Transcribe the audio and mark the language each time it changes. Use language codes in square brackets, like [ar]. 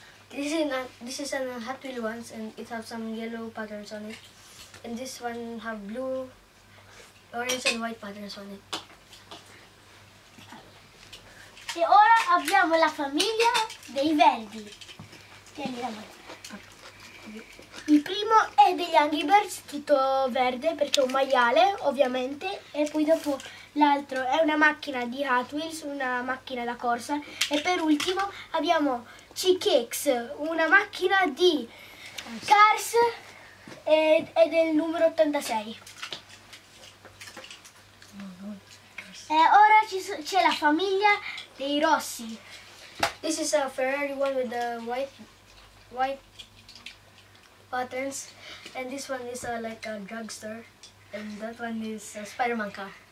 [en] This is a Hot Wheels ones and it has some yellow patterns on it. And this one have blue, orange and white patterns on it. [it] E ora abbiamo la famiglia dei verdi. Tieni la mano. Il primo è degli Angry Birds, tutto verde perché è un maiale ovviamente. E poi dopo l'altro è una macchina di Hot Wheels, una macchina da corsa. E per ultimo abbiamo CKX, una macchina di Cars e del numero 86. E ora c'è la famiglia dei rossi. [en] This is a Ferrari one with the white patterns and this one is like a drugstore and that one is a Spider-Man car.